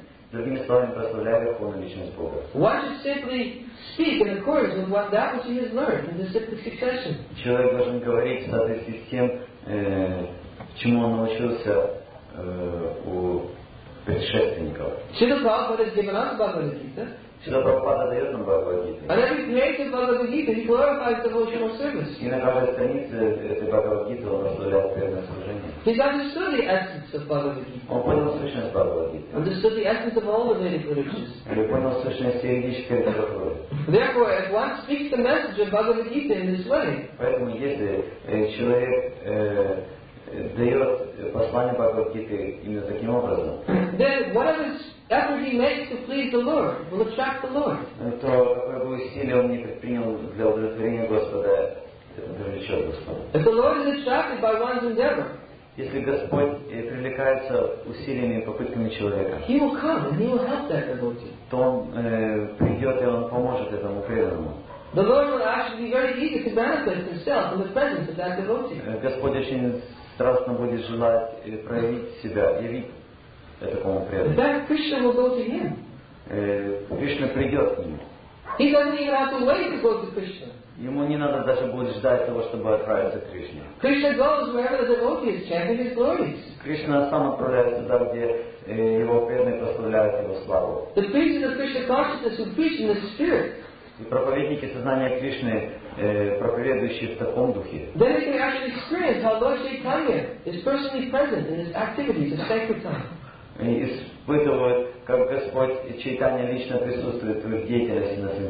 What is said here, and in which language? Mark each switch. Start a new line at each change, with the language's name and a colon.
Russian: Другими словами, прославляя Верховную Личность Бога. Человек должен говорить в соответствии с тем, чему он научился у предшественников. Шрила Прабхупада дает нам Бхагавад Гиту. Шрила Прабхупада дает нам Бхагавад Гиту.
English: And every creator of Bhagavad Gita, he glorifies devotional service.
Russian: И на каждой странице этой Бхагавад Гиты он прославляет преданное служение.
English: He's understood the essence of Bhagavad Gita.
Russian: Он понял сущность Бхагавад Гиты.
English: Understood the essence of all the Vedic literatures.
Russian: Он понял сущность всей ведической литературы.
English: Therefore, if one speaks the message of Bhagavad Gita in this way,
Russian: поэтому если человек дает послание Бхагавад-гиты именно таким образом.
English: Then whatever effort he makes to please the Lord will attract the Lord.
Russian: То какое бы усилие он ни предпринял для удовлетворения Господа, это привлечет Господа.
English: If the Lord is attracted by one's endeavor,
Russian: если Господь привлекается усилиями и попытками человека,
English: he will come and he will help that devotee.
Russian: То он придет и он поможет этому преданному.
English: The Lord will actually be very eager to manifest Himself in the presence of that devotee.
Russian: Господь очень страстно будет желать проявить себя, явить этому преданному.
English: That Krishna will go to him.
Russian: Кришна придет к нему.
English: He doesn't even have to wait to go to Krishna.
Russian: Ему не надо даже будет ждать того, чтобы отправиться к Кришне.
English: Krishna goes wherever the devotee is chanting his glories.
Russian: Кришна сам отправляется туда, где его преданные прославляют его славу.
English: The preachers of Krishna consciousness who preach in the spirit.
Russian: И проповедники сознания Кришны, проповедующие в таком духе.
English: Then they can actually experience how Lord Chaitanya is personally present in his activities of sankirtan.
Russian: И испытывают, как Господь Чайтанья лично присутствует в их деятельности на